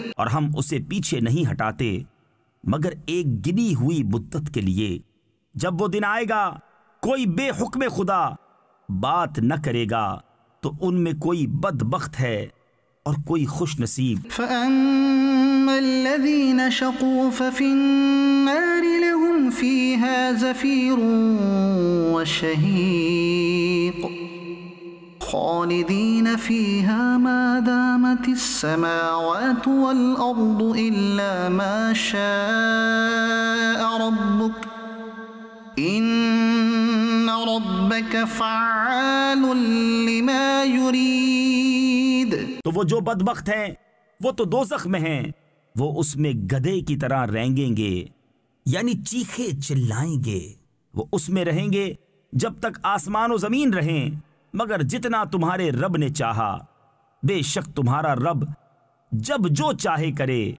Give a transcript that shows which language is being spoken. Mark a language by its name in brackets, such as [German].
[Urdu] اور ہم اسے پیچھے نہیں ہٹاتے مگر ایک گنی ہوئی مدت کے لیے جب وہ دن آئے گا کوئی بے حکم خدا بات نہ کرے گا تو ان میں کوئی بدبخت ہے اور کوئی خوش نصیب [Arabic] فَأَمَّا الَّذِينَ شَقُوا فَفِي النَّارِ لَهُمْ فِيهَا زَفِيرٌ وَشَهِيقٌ خالدين فيها ما دامت السماوات والأرض إلا ما شاء ربك إن ربك فعال لما يريد [Urdu] تو وہ جو بدبخت ہیں وہ تو دوزخ میں ہیں وہ اس میں گدھے کی طرح رینگیں گے یعنی چیخے چلائیں گے وہ اس میں رہیں گے جب تک آسمان و زمین رہیں مگر جتنا تمہارے رب نے چاہا بے شک تمہارا رب جب جو چاہے کرے